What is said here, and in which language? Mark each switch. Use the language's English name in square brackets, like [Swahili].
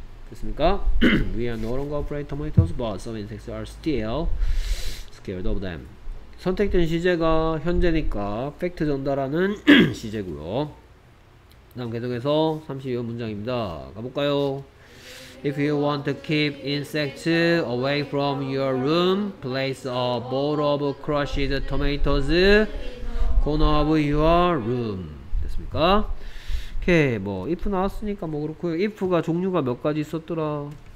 [English] 됐습니까? We are no longer afraid of tomatoes but some insects are still scared of them. [Korean] 선택된 시제가 현재니까 팩트 전달하는 시제고요. 그 다음 계속해서 32번 문장입니다. 가볼까요? [English] If you want to keep insects away from your room, place a bowl of crushed tomatoes corner of your room. [Korean] 됐습니까? 오케이. 뭐 if 나왔으니까 뭐 그렇고요. if가 종류가 몇 가지 있었더라?